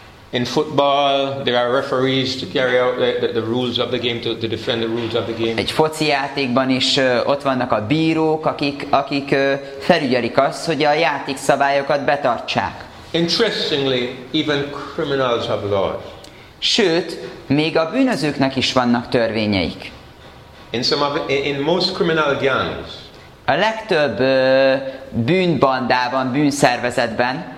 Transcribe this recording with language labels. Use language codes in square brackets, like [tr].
[en] In football there are referees to carry out the rules of the game, to defend the rules of the game. [hu] Egy foci játékban is ott vannak a bírók, akik felügyelik azt, hogy a játék szabályokat betartsák. [en] Interestingly, even criminals have laws. [hu] Sőt, még a bűnözőknek is vannak törvényeik. [en] In most criminal gangs. [hu] A legtöbb bűnbandában, bűnszervezetben.